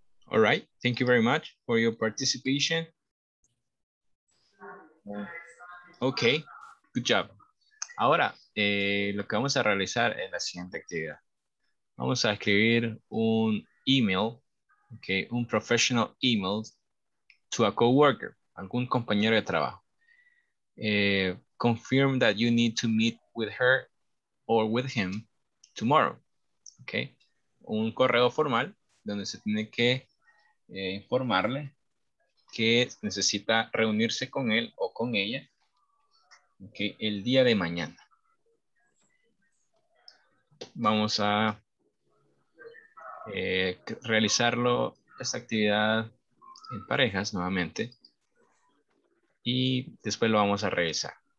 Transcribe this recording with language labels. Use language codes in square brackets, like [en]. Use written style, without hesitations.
[en] All right, thank you very much for your participation. Ok, good job. [es] Ahora, lo que vamos a realizar es la siguiente actividad. Vamos a escribir un email, okay, [en] un professional email to a coworker, [es] algún compañero de trabajo. [en] Confirm that you need to meet with her or with him tomorrow. Okay. [es] Un correo formal donde se tiene que informarle que necesita reunirse con él o con ella, okay, el día de mañana. Vamos a realizarlo, esta actividad en parejas nuevamente, y después lo vamos a revisar.